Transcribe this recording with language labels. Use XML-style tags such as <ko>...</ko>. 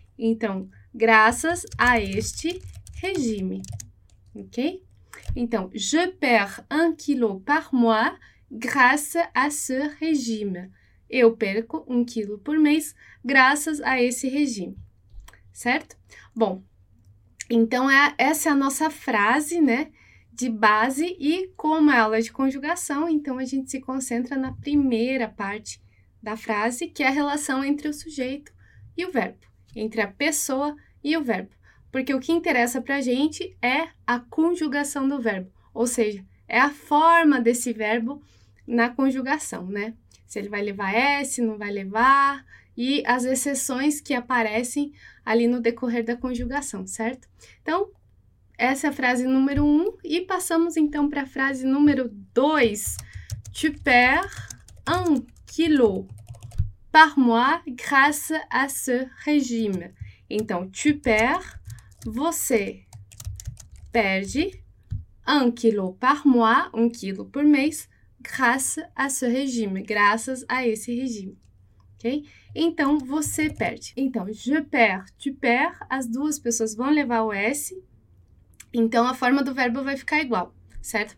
<pt>Então, graças a este régime. Ok?</pt> <fr>Então, je perds 1 kilo par mois grâce à ce régime.</fr> <pt>Eu perco 1 kilo por mês graças a esse regime. Certo? Bom, então essa é a nossa frase, né? De base e como é aula de conjugação, então a gente se concentra na primeira parte da frase, que é a relação entre o sujeito e o verbo, entre a pessoa e o verbo. Porque o que interessa para a gente é a conjugação do verbo, ou seja, é a forma desse verbo na conjugação, né? Se ele vai levar S, não vai levar, e as exceções que aparecem ali no decorrer da conjugação, certo? Então, essa é a frase número 1, e passamos então para a frase número 2.</pt> <fr>Tu perds 1 kilo par mois grâce à ce régime.</fr> <pt>Então,</pt> <fr>tu perds,</fr> <pt>você perde</pt> <fr>1 kilo par mois,</fr> <pt>1 kilo por mês,</pt> <fr>grâce à ce régime,</fr> <pt>graças a esse regime. Ok? Então, você perde. Então,</pt> <fr>je perds, tu perds,</fr> <pt>as duas pessoas vão levar o S, então a forma do verbo vai ficar igual, certo?</pt>